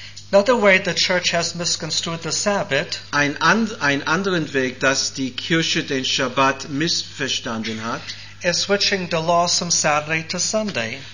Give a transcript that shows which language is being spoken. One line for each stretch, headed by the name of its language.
English: Another way the church has misconstrued the Sabbath.
German: Ein anderen Weg, dass die Kirche den Shabbat missverstanden hat.
English: Is switching the laws from Saturday to Sunday.